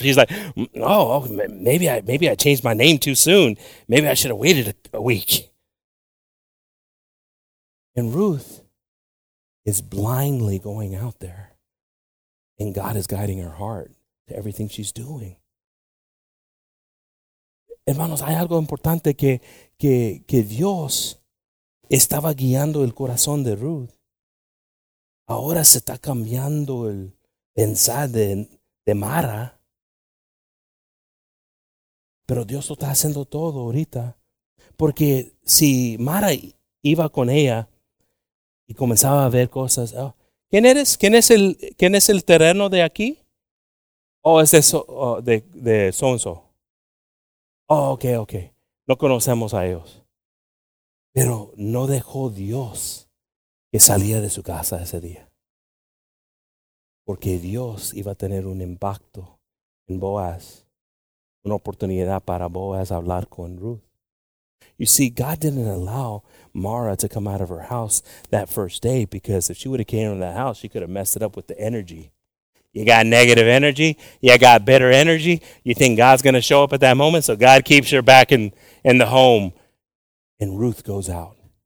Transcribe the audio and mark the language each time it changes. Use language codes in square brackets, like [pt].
[en] She's like, oh, maybe I changed my name too soon. Maybe I should have waited a week. And Ruth is blindly going out there. And God is guiding her heart to everything she's doing. [es] Hermanos, hay algo importante que Dios estaba guiando el corazón de Ruth. Ahora se está cambiando el pensar de Mara. Pero Dios lo está haciendo todo ahorita. Porque si Mara iba con ella y comenzaba a ver cosas. Oh, ¿quién eres? ¿Quién es el terreno de aquí? Oh, es eso, oh, de Sonso. Oh, ok. No conocemos a ellos. Pero no dejó Dios que saliera de su casa ese día. Porque Dios iba a tener un impacto en Boaz. Una oportunidad para Boaz hablar con Ruth. [en] You see, God didn't allow Mara to come out of her house that first day, because if she would have came into the house, she could have messed it up with the energy. You got negative energy. You got bitter energy. You think God's going to show up at that moment? So God keeps her back in the home. And Ruth goes out.